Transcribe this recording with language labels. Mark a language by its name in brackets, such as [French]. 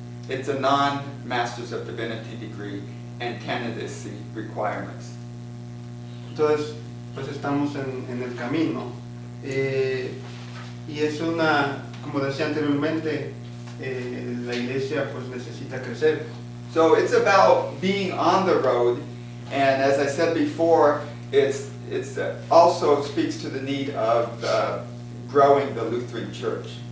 [English] It's a non-Masters of Divinity degree and candidacy requirements. [Spanish] Entonces, pues estamos en el camino. Y es una, como decía anteriormente, la iglesia pues necesita crecer. [English] So it's about being on the road, and as I said before, it's also speaks to the need of growing the Lutheran Church.